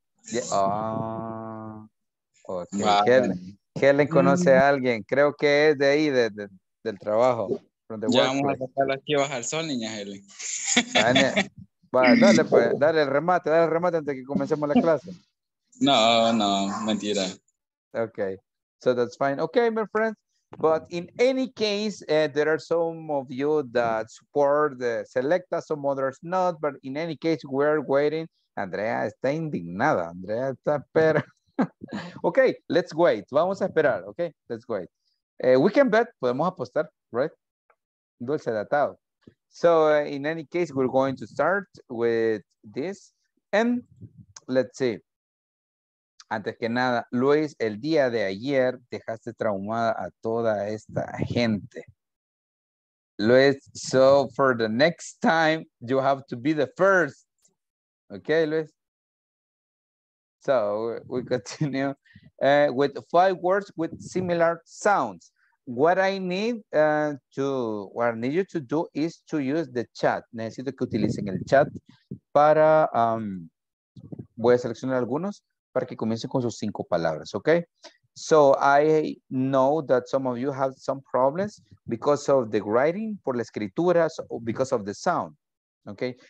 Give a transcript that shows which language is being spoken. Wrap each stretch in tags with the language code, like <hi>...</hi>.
<en>Yeah. Oh. Okay. Wow.</en> <es>Helen conoce a alguien. Creo que es de ahí, del trabajo.</es> <en>From the ya workplace.</en> <es>Vamos a sacar aquí a bajar el sol, niña Helen. Bueno, dale, pues, dale el remate antes de que comencemos la clase. No, mentira.</es> <en>Okay, so that's fine. Okay, my friends, but in any case, there are some of you that support the Selecta, some others not, but in any case, we're waiting.</en> <es>Andrea está indignada. Andrea está, pero...</es> <en>Okay, let's wait.</en> <es>Vamos a esperar, okay?</es> <en>Let's wait. We can bet,</en> <es>podemos apostar,</es> <en>right?</en> <es>Dulce datado.</es> <en>So, in any case, we're going to start with this. And let's see.</en> <es>Antes que nada, Luis, el día de ayer dejaste traumada a toda esta gente.</es> <en>Luis, so for the next time, you have to be the first. Okay, Luis? So, we continue with five words with similar sounds. What I need you to do is to use the chat.</en> <es>Necesito que utilicen el chat para, voy a seleccionar algunos para que comiencen con sus cinco palabras, okay?</es> <en>So I know that some of you have some problems because of the writing,</en> <es>por la escritura,</es> <en>so because of the sound, okay?</en>